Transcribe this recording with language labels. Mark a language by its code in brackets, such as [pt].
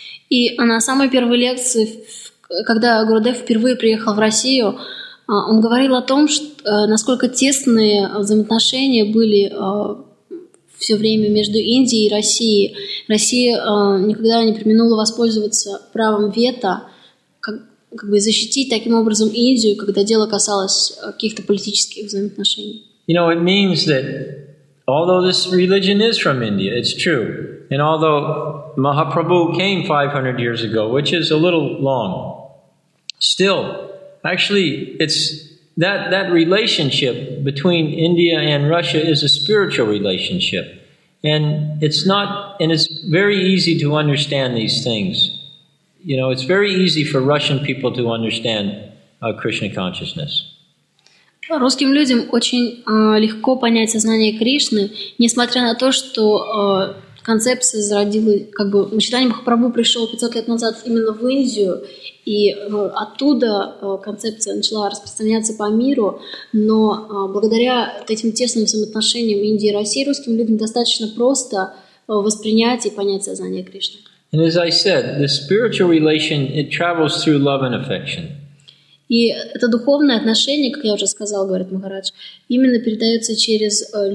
[ru] И на самой первой лекции, когда Гурудев впервые приехал в Россию, он говорил о том, насколько тесные взаимоотношения были все время между Индией и Россией. Россия никогда не преминула воспользоваться правом вето, как бы защитить таким образом Индию, когда дело касалось каких-то политических взаимоотношений. [en] You know, it means that although this religion is from India, it's true. And although Mahaprabhu came 500 years ago, which is a little long, still, actually, it's that relationship between India and Russia is a spiritual relationship. And it's very easy to understand these things. You know, it's very easy for Russian people to understand Krishna consciousness. [ru] Русским людям очень легко понять сознание Кришны, несмотря на то, что концепция зародилась, как бы Чайтанья Махапрабху пришел 500 лет назад именно в Индию, и оттуда концепция начала распространяться по миру, но благодаря этим тесным взаимоотношениям Индии и России русским людям достаточно просто воспринять и понять сознание Кришны. [en] And as I said, the spiritual relation, it travels through love and affection. [ru] И это духовное отношение, как я уже сказал, говорит Махарадж, именно передается через